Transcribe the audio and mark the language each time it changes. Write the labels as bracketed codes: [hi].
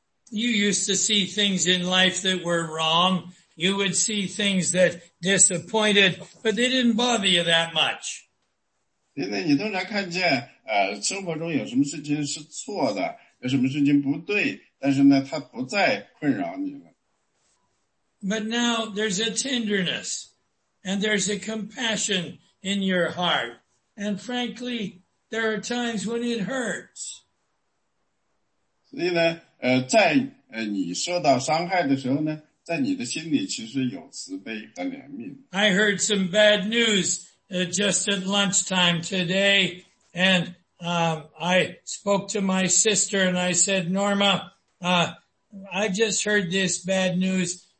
[en] You used to see things in life that were wrong. You would see things that disappointed, but they didn't bother you that much. [zh] 因为你通常看见,生活中有什么事情是错的,有什么事情不对,但是呢,它不再困扰你了。 [en] But now there's a tenderness and there's a compassion in your heart. And frankly, there are times when it hurts. [zh] 所以呢,在你受到伤害的时候呢,在你的心里其实有慈悲和怜悯。I [en] heard some bad news just at lunchtime today. And I spoke to my sister and I said, Norma, I just heard this bad news.